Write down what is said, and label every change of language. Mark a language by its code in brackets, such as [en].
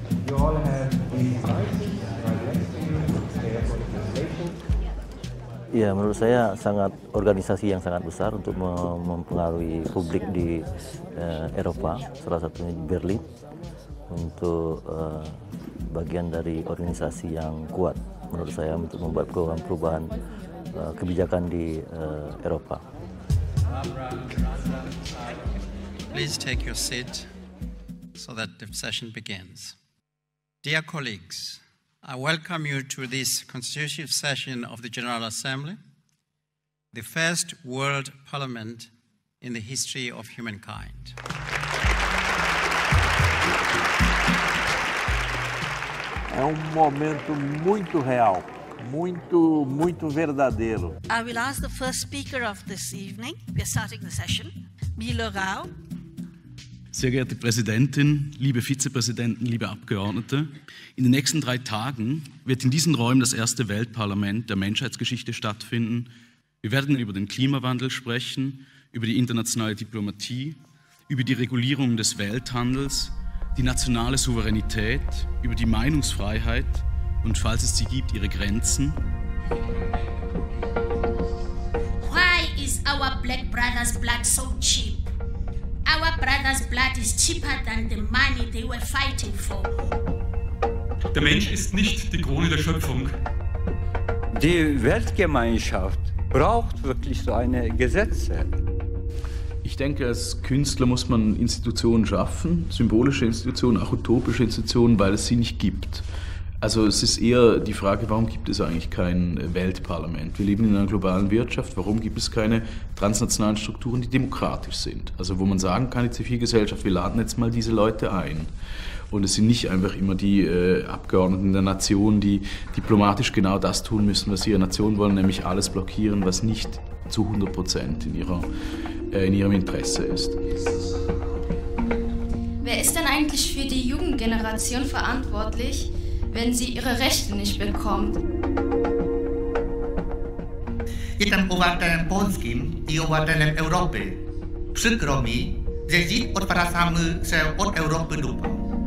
[en] You all have these devices right next to you. They are for the translation. [id] Ya, menurut saya sangat organisasi yang sangat besar untuk mempengaruhi publik di Eropa, salah satunya di Berlin, untuk bagian dari organisasi yang kuat menurut saya untuk membuat perubahan kebijakan di Eropa. [en] Please take your seat so that the session begins. Dear colleagues, I welcome you to this constitutive session of the General Assembly, the first world parliament in the history of humankind. [pt] É momento muito real, muito, muito verdadeiro. [en] I will ask the first speaker of this evening, we are starting the session, Milo Rau. [de] Sehr geehrte Präsidentin, liebe Vizepräsidenten, liebe Abgeordnete, in den nächsten drei Tagen wird in diesen Räumen das erste Weltparlament der Menschheitsgeschichte stattfinden. Wir werden über den Klimawandel sprechen, über die internationale Diplomatie, über die Regulierung des Welthandels, die nationale Souveränität, über die Meinungsfreiheit und, falls es sie gibt, ihre Grenzen. [en] Why is our black brother's blood so cheap? Our brother's blood is cheaper than the money they were fighting for. [de] Der Mensch ist nicht die Krone der Schöpfung. Die Weltgemeinschaft braucht wirklich so eine Gesetze. Ich denke, als Künstler muss man Institutionen schaffen, symbolische Institutionen, auch utopische Institutionen, weil es sie nicht gibt. Also es ist eher die Frage, warum gibt es eigentlich kein Weltparlament? Wir leben in einer globalen Wirtschaft, warum gibt es keine transnationalen Strukturen, die demokratisch sind? Also wo man sagen kann, die Zivilgesellschaft, wir laden jetzt mal diese Leute ein. Und es sind nicht einfach immer die Abgeordneten der Nation, die diplomatisch genau das tun müssen, was ihre Nation wollen, nämlich alles blockieren, was nicht zu 100% in ihrem Interesse ist. Wer ist denn eigentlich für die Jugendgeneration verantwortlich, wenn sie ihre Rechte nicht bekommt? [pl] Jestem obywatelem Polski i obywatelem Europy. Przykro mi, że dziś odwracamy się od Europy dumą.